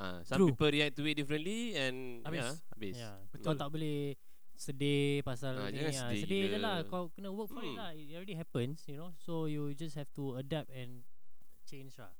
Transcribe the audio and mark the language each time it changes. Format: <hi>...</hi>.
<en>Some people react to it differently and habis.</en> <ms>Betul. Kau tak boleh sedih pasal sedih je lah. Kau kena work for it lah.</ms> <en>It already happens, you know. So you just have to adapt and change lah.</en>